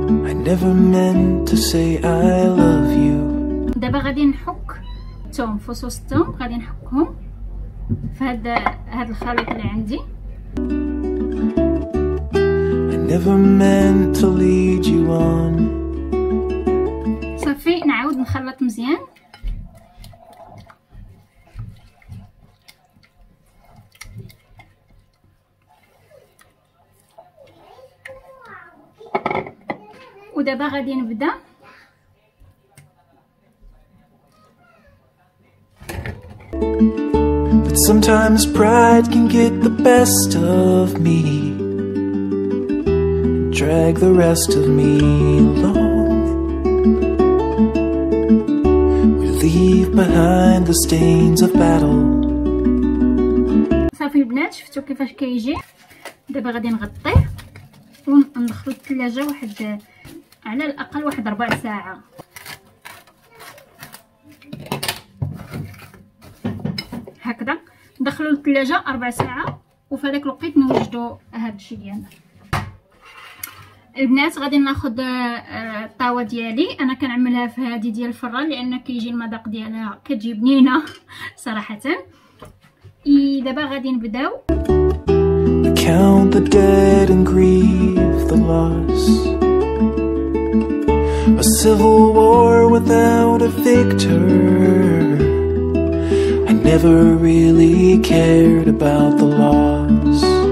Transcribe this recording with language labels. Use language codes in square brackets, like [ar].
[en] I never meant to say I love you. [ar] دابا غادي نحك الثوم، فصوص الثوم غادي نحكهم في هاد الخليط اللي عندي. [en] I never meant to lead you on. [ar] صافي نعاود نخلط مزيان. ودابا غادي نبدا [en] But sometimes pride can get the best of me drag the rest of me along leave behind the stains of battle. [ar] صافي البنات شفتوا كيفاش كيجي. دابا غادي نغطيه وندخلو الثلاجه واحد على الاقل واحد 4 ساعه. هكذا ندخلو الثلاجه 4 ساعه وفي هذاك الوقت نوجدوا هذا الشيء ديالنا. البنات غادي ناخذ الطاوه ديالي، انا كنعملها في هذه ديال الفران لان كيجي المذاق ديالها كتجي بنينه صراحه. اي دابا غادي نبداو. [en] Count the dead and grieve the loss. A civil war without a victor. I never really cared about the loss.